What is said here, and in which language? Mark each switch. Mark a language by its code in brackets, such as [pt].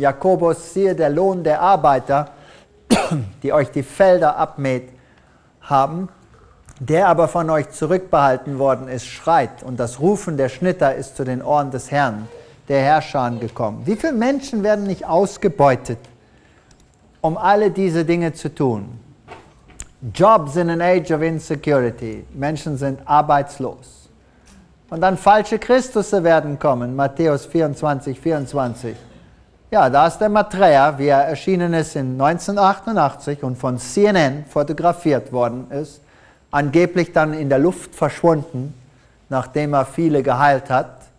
[de] Jakobus, siehe, der Lohn der Arbeiter, die euch die Felder abmäht haben, der aber von euch zurückbehalten worden ist, schreit und das Rufen der Schnitter ist zu den Ohren des Herrn, der Herrscher, gekommen. Wie viele Menschen werden nicht ausgebeutet, um alle diese Dinge zu tun? [en] Jobs in an age of insecurity. [de] Menschen sind arbeitslos. Und dann falsche Christusse werden kommen. Matthäus 24, 24. Ja, da ist der Maitreya, wie er erschienen ist in 1988 und von CNN fotografiert worden ist. Angeblich dann in der Luft verschwunden, nachdem er viele geheilt hat.